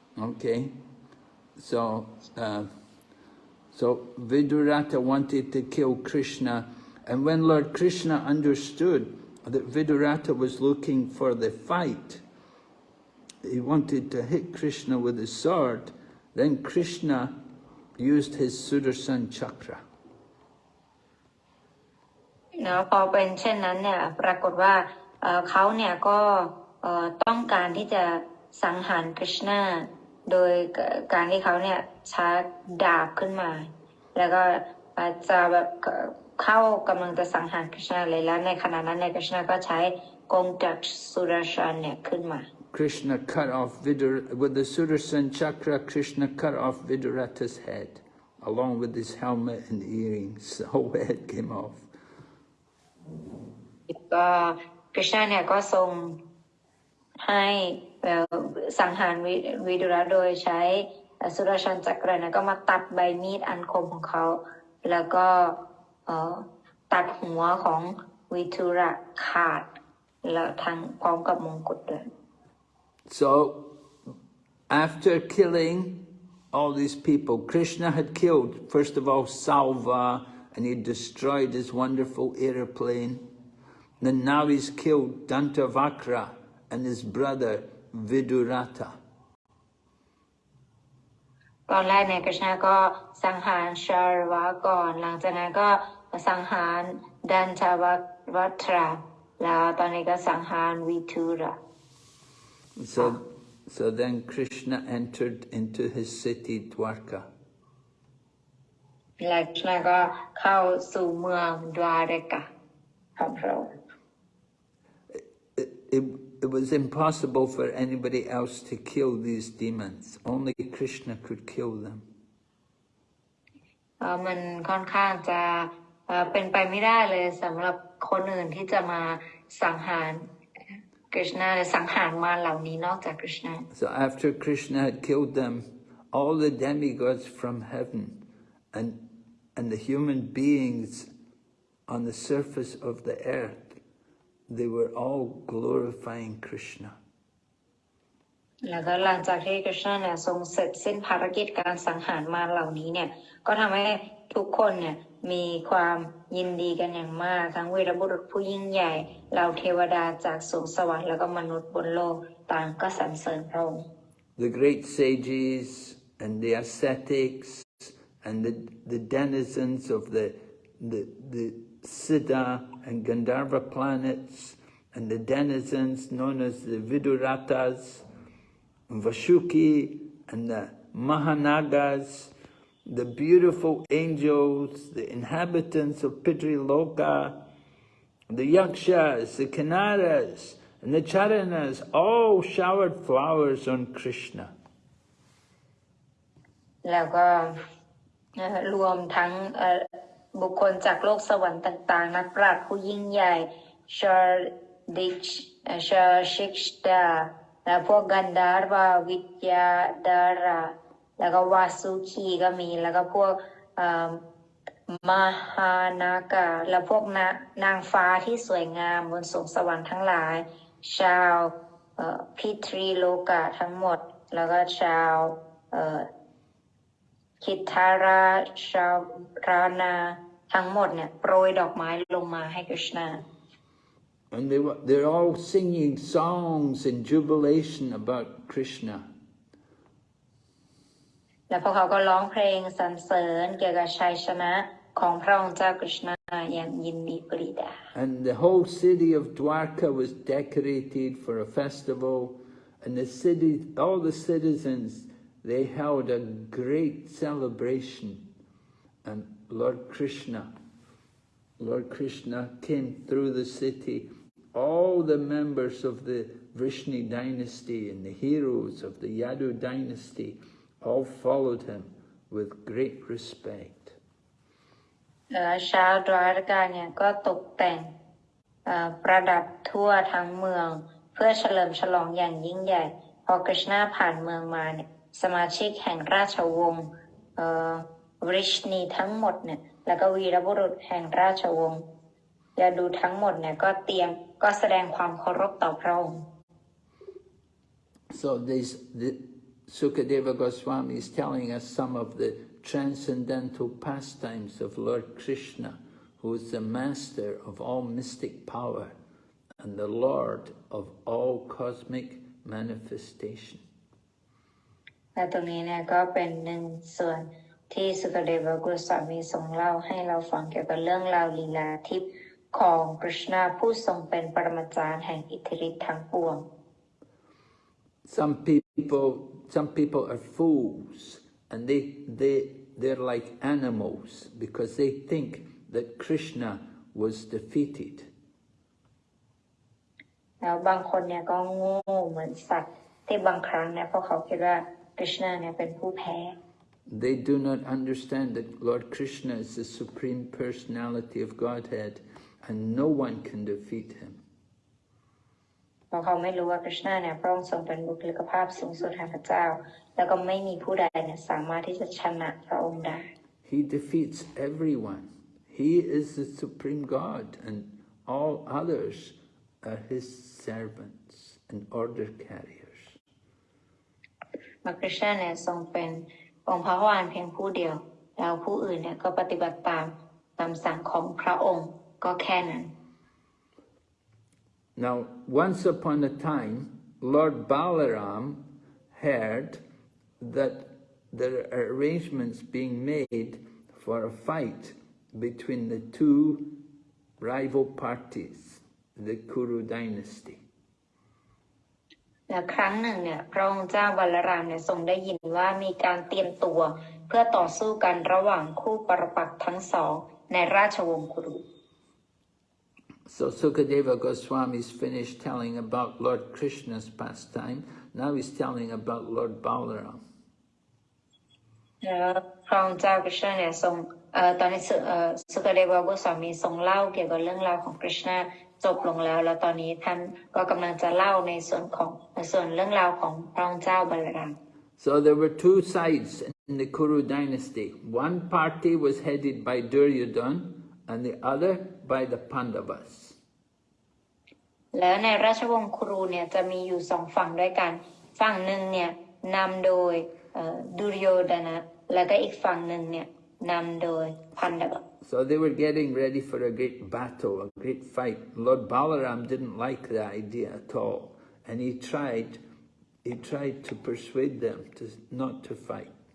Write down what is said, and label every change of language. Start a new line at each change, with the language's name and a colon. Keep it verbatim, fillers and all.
English: Okay, so uh, so Vidurata wanted to kill Krishna, and when Lord Krishna understood that Vidurata was looking for the fight, he wanted to hit Krishna with his sword. Then Krishna used his Sudarshan chakra.
Thai: แล้วพอเป็นเช่นนั้นเนี่ยปรากฏว่าเอ่อเขาเนี่ยก็เอ่อต้องการที่จะสังหารกฤษณาโดยการที่เขาเนี่ยชาร์จดาบขึ้นมา แล้วก็อาจจะแบบเข้ากำลังจะสังหารกฤษณาเลยแล้วในขณะนั้นเนี่ยกฤษณาก็ใช้กงจักรสุรชันเนี่ยขึ้นมา
English: Krishna cut off Vidur with the Sudarshan chakra. Krishna cut off Vidurata's head, along with his helmet and earrings. The whole head came off.
Thai: ก็กฤษณาเนี่ยก็ทรงให้เอ่อสังหารวิวิดุระโดยใช้เอ่อสุรชันจักรนะก็มาตัดใบมีดอันคมของเขา แล้วก็เอ่อตัดหัวของวิทุระขาด แล้วทั้งพร้อมกับมงกุฎด้วย
English: So, after killing all these people, Krishna had killed, first of all, Salva, and he destroyed his wonderful aeroplane. Then now he's killed Dantavakra and his brother Vidurata.
Thai: ตอนแรกเนี่ยกฤษณาก็สังหารชารวะก่อน หลังจากนั้นก็สังหารดันชาวัวัตรา แล้วตอนนี้ก็สังหารวิทุระ
English: So, so then Krishna entered into his city Dwarka.
Thai: และกฤษณาก็เข้าสู่เมืองดวารกะของพระองค์
English: It, it, it was impossible for anybody else to kill these demons. Only Krishna could kill them.
Thai: เอ่อมันค่อนข้างจะเอ่อเป็นไปไม่ได้เลยสำหรับคนอื่นที่จะมาสังหารกฤษณาหรือสังหารมารเหล่านี้นอกจากกฤษณา
English: So after Krishna had killed them, all the demigods from heaven and, and the human beings on the surface of the earth, they were all glorifying Krishna.
Thai: แล้วก็หลังจากที่กฤษณาเนี่ยทรงเสร็จสิ้นภารกิจการสังหารมารเหล่านี้เนี่ยก็ทำให้ทุกคนเนี่ยมีความยินดีกันอย่างมากทั้งเวรบุรุษผู้ยิ่งใหญ่เหล่าเทวดาจากสวงสวรรค์แล้วก็มนุษย์บนโลกต่างก็สรรเสริญพระองค์
English: The great sages and the ascetics and the, the denizens of the, the, the Siddha and Gandharva planets and the denizens known as the Viduratas, Vashuki and the Mahanagas, the beautiful angels, the inhabitants of Pitriloka, the Yakshas, the Kanaras, And the Charanas all showered flowers on Krishna.
Thai: แล้วก็เอ่อรวมทั้งเอ่อบุคคลจากโลกสวรรค์ต่างๆ นักปราชญ์ผู้ยิ่งใหญ่ชาดิกชาชิกดาและพวกกันดารวาวิทยาดาราแล้วก็วาสุคีก็มีแล้วก็พวกเอ่อ มหานากาและพวกนะนางฟ้าที่สวยงามบนสวงสวรรค์ทั้งหลาย ชาวเอ่อพิตรีโลกะทั้งหมด แล้วก็ชาวเอ่อ คิทธาราชารานาทั้งหมดเนี่ยโปรยดอกไม้ลงมาให้กฤษณา
English: And they were, they're all singing songs in jubilation about Krishna.
Thai: แล้วพวกเขาก็ร้องเพลงสรรเสริญเกี่ยวกับชัยชนะของพระองค์เจ้ากฤษณาอย่างยินดีปรีดา
English: And the whole city of Dwarka was decorated for a festival, and the city, all the citizens, they held a great celebration. And Lord Krishna, Lord Krishna came through the city. All the members of the Vrishni dynasty and the heroes of the Yadu dynasty all followed him with great respect.
Thai: เอ่อชาวดวารกาเนี่ยก็ตกแต่งเอ่อประดับทั่วทั้งเมือง เพื่อเฉลิมฉลองอย่างยิ่งใหญ่ พอกฤษณาผ่านเมืองมาเนี่ยสมาชิกแห่งราชวงศ์เอ่อวริชนีทั้งหมดเนี่ยแล้วก็วีรบุรุษแห่งราชวงศ์ยาดูทั้งหมดเนี่ยก็เตรียมก็แสดงความเคารพต่อพระองค์
English: So these, the, Sukadeva Goswami is telling us some of the transcendental pastimes of Lord Krishna, who is the master of all mystic power and the Lord of all cosmic manifestation.
Thai: และตรงนี้เนี่ยก็เป็นหนึ่งส่วนที่สุขเดวะกุสามีทรงเล่าให้เราฟังเกี่ยวกับเรื่องราวลีลาทิพย์ของกฤษณาผู้ทรงเป็นปรมาจารย์แห่งอิทธิฤทธิ์ทั้งปวง
English: Some people, some people are fools, and they, they, they're like animals because they think that Krishna was defeated.
Thai: แล้วบางคนเนี่ยก็โง่เหมือนสัตว์ที่บางครั้งเนี่ยพวกเขาคิดว่ากฤษณาเนี่ยเป็นผู้แพ้
English: They do not understand that Lord Krishna is the Supreme Personality of Godhead, and no one can defeat him.
Thai: เพราะเขาไม่รู้ว่ากฤษณาเนี่ยพระองค์ทรงเป็นบุคลิกภาพสูงสุดแห่งพระเจ้า แล้วก็ไม่มีผู้ใดเนี่ยสามารถที่จะชนะพระองค์ได้
English: He defeats everyone. He is the Supreme God, and all others are his servants and order carriers.
Thai: พระกฤษณาเนี่ยทรงเป็นองค์พระวานเพียงผู้เดียว แล้วผู้อื่นเนี่ยก็ปฏิบัติตามตามสั่งของพระองค์ก็แค่นั้น
English: Now, once upon a time, Lord Balaram heard that there are arrangements being made for a fight between the two rival parties, the Kuru dynasty.
Thai: แล้วครั้งหนึ่งเนี่ยพระองค์เจ้าบาลรามเนี่ยทรงได้ยินว่ามีการเตรียมตัว เพื่อต่อสู้กันระหว่างคู่ปรปักษ์ทั้งสองในราชวงศ์คุรุ
English: So Sukadeva Goswami's finished telling about Lord Krishna's pastime. Now he's telling about Lord Balaram.
Thai: แล้วพระองค์เจ้ากฤษณาเนี่ยทรงเอ่อตอนนี้สุเอ่อสุกเดวะกุสามีทรงเล่าเกี่ยวกับเรื่องราวของกฤษณาจบลงแล้ว แล้วตอนนี้ท่านก็กำลังจะเล่าในส่วนของในส่วนเรื่องราวของพระองค์เจ้าบาลราม
English: So there were two sides in the Kuru dynasty. One party was headed by Duryodhana and the other by the Pandavas.
Thai: แล้วในราชวงศ์คุรูเนี่ยจะมีอยู่สองฝั่งด้วยกัน ฝั่งหนึ่งเนี่ยนำโดยเอ่อดุรโยธนะ แล้วก็อีกฝั่งหนึ่งเนี่ยนำโดยพันดบ
English: So they were getting ready for a great battle, a great fight. Lord Balaram didn't like the idea at all, and he tried, he tried to persuade them to not to fight.